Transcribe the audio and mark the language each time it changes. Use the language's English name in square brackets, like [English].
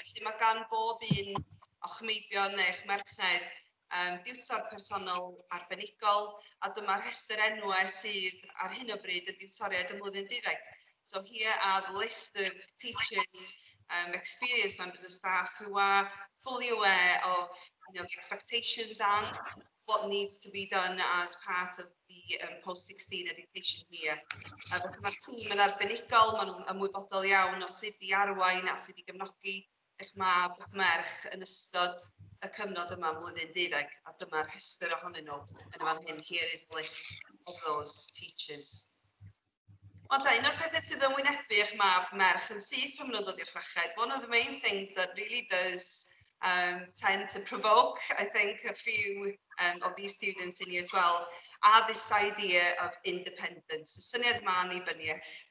[Welsh] Felly mae gan bob un o'ch meibion neu eich merched diwtor personol arbenigol, a dyma rhestr enwau sydd ar hyn o bryd y diwtoriaid ym mlynedd 12. [English] So here are the list of teachers, experienced members of staff who are fully aware of, you know, the expectations and what needs to be done as part of the post-16 education year. [Welsh] Felly mae'r tîm yn arbenigol, maen nhw'n ymwybodol iawn o sut i arwain a sut i gefnogi eich mab a'ch merch yn ystod y cyfnod yma mlynedd 12, a dyma'r rhestr ohonyn nhw yn fan hyn. [English] Here is the list of those teachers. [Welsh] Ond un o'r pethau sydd yn wynebu eich mab merch yn syth pan maen nhw'n dod i'r chweched, [English] one of the main things that really does tend to provoke, I think, a few of these students in year 12, are this idea of independence, [Welsh] y syniad yma yn ei bynnag.